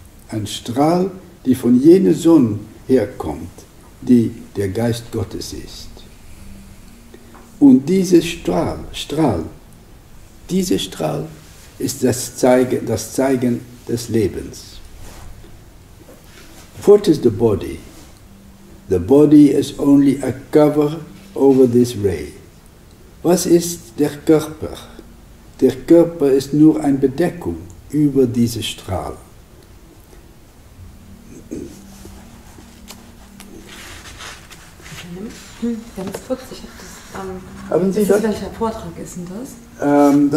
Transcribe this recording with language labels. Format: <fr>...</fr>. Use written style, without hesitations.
<de>Ein Strahl, die von jener Sonne herkommt, die der Geist Gottes ist. Und dieser Strahl ist das Zeigen des Lebens.</de> <en>What is the body? The body is only a cover over this ray.</en> <de>Was ist der Körper? Der Körper ist nur eine Bedeckung über diese Strahl. Ganz kurz, ich habe das. Haben Sie das? Welcher Vortrag ist denn das?</de>